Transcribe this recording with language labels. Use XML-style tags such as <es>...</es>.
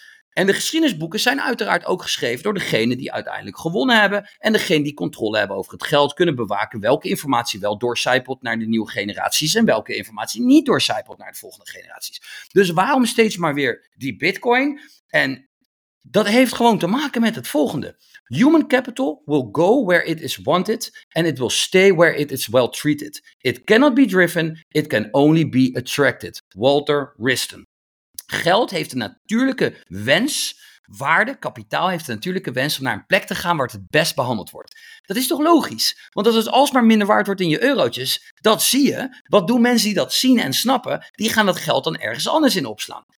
<nl>En de geschiedenisboeken zijn uiteraard ook geschreven door degene die uiteindelijk gewonnen hebben en degene die controle hebben over het geld kunnen bewaken welke informatie wel doorcijpelt naar de nieuwe generaties en welke informatie niet doorcijpelt naar de volgende generaties. Dus waarom steeds maar weer die Bitcoin? En dat heeft gewoon te maken met het volgende.</nl> <en>Human capital will go where it is wanted and it will stay where it is well treated. It cannot be driven, it can only be attracted. Walter Wriston.</en> <nl>Geld heeft een natuurlijke wens, waarde, kapitaal heeft een natuurlijke wens om naar een plek te gaan waar het best behandeld wordt. Dat is toch logisch? Want als het alsmaar minder waard wordt in je eurotjes, dat zie je. Wat doen mensen die dat zien en snappen? Die gaan dat geld dan ergens anders in opslaan.</nl>